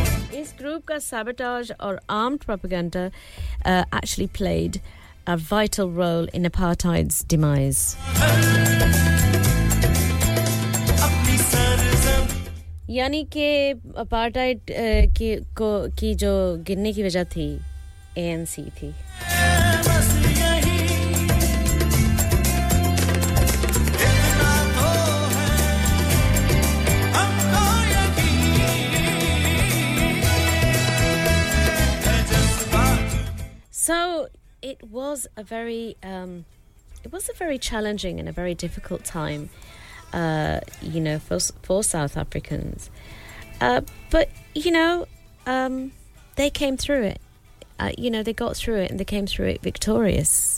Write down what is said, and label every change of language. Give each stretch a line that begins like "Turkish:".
English: This group ka sabotage or armed propaganda actually played a vital role in apartheid's demise.
Hindi: यानी कि apartheid की जो गिरने की वजह थी एएनसी थी
English: So it was a very challenging and a very difficult time you know, for South Africans. But, you know, they came through it. You know, they got through it and they came through it victorious.